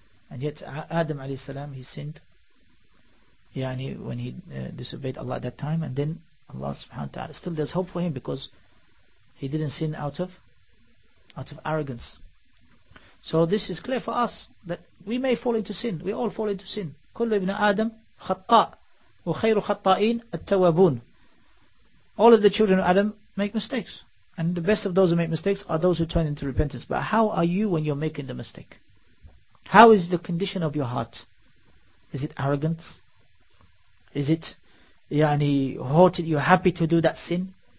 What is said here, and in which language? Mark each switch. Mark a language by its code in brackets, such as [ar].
[en] And yet, Adam alayhi salam, he sinned, yani when he disobeyed Allah at that time, and then Allah subhanahu wa ta'ala, still there's hope for him because he didn't sin out of arrogance. So this is clear for us that we may fall into sin. We all fall into sin. [ar] كل ابن آدم خطاء وخير خطائين التوابون. [en] All of the children of Adam make mistakes, and the best of those who make mistakes are those who turn into repentance. But how are you when you're making the mistake? How is the condition of your heart? Is it arrogance? Is it yani haughty, you're happy to do that sin?